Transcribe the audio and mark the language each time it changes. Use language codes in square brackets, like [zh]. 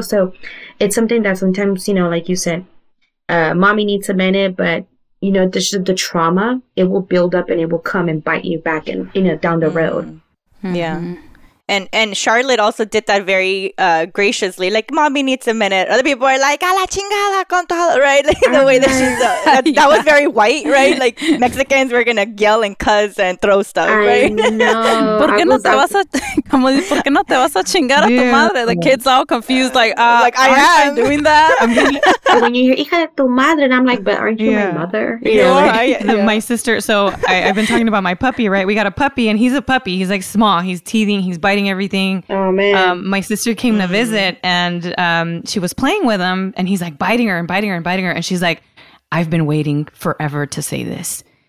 [en] So it's something that sometimes, you know, like you said, mommy needs a minute, but, you know, the trauma, it will build up and it will come and bite you back in, you know, down the road. Mm-hmm. Yeah. And Charlotte also did that very graciously. Like, "Mommy needs a minute." Other people are like, [es] "A la chingada con todo," [en] right? Like, the way that she's that was very white, right? Like, Mexicans were going to yell and cuss and throw stuff, right? [es] ¿Por qué no te vas a, como, ¿por qué no te vas a chingar a tu madre? [en] The kid's all confused, like, like, I am. I'm doing that. When you hear, [es] "Hija de tu madre," [en] and I'm like, "But aren't you my mother?" My sister, so I've been talking about my puppy, right? We got a puppy, and he's a puppy. He's, like, small. He's teething. He's biting everything. Oh, man. My sister came to visit, and she was playing with him, and he's like biting her and biting her and biting her, and she's like, "I've been waiting forever to say this."